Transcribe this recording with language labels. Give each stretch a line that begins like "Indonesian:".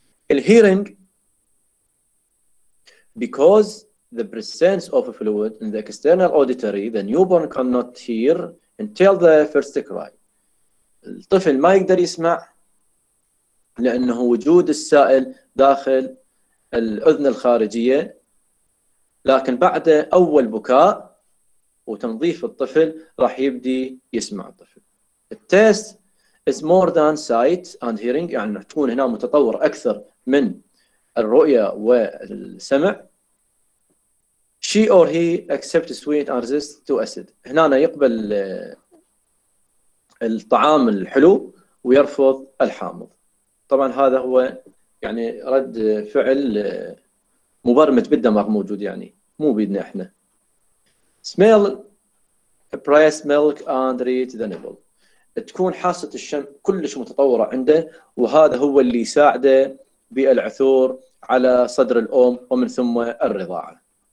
English: الهيرنج because the presence of a fluid in the external auditory the newborn cannot hear until the first cry.
Arabic: الطفل ما يقدر يسمع لأنه وجود السائل داخل الأذن الخارجية، لكن بعد أول بكاء وتنظيف الطفل راح يبدي يسمع الطفل. التست
English: is more than sight and hearing،
Arabic: يعني تكون هنا متطور أكثر من الرؤية والسمع.
English: She or he accept sweet and resist to acid،
Arabic: هنا يقبل الطعام الحلو ويرفض الحامض. طبعا هذا هو يعني رد فعل مبرمج بالدماغ موجود، يعني مو بيدنا احنا.
English: smell breast milk and reach the nipple،
Arabic: تكون حاسة الشم كلش متطورة عنده، وهذا هو اللي يساعده بالعثور على صدر الأم ومن ثم الرضاعة.